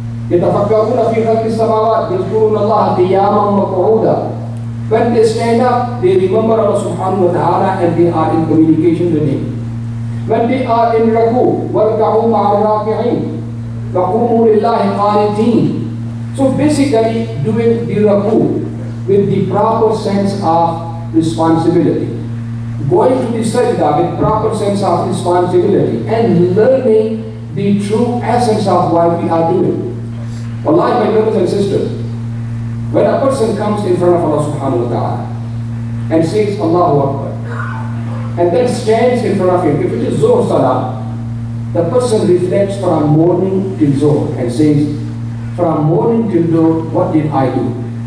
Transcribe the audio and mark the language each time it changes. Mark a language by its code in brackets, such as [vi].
[ar] يتفكرون في خلق السماوات يذكرون الله قياما وقعودا. [en] When they stand up, they remember Allah subhanahu wa ta'ala and they are in communication with Him. When they are in [ar] ركوع وركعوا مع الراكعين وقوموا لله قانتين. [en] So basically doing the ركوع with the proper sense of responsibility. Going to the sajda with proper sense of responsibility and learning the true essence of why we are doing. Wallahi, my brothers and sisters, when a person comes in front of Allah subhanahu wa ta'ala and says Allahu Akbar and then stands in front of Him, if it is Zuhr Salah, the person reflects from morning till Zuhr and says, from morning till Zuhr, what did I do?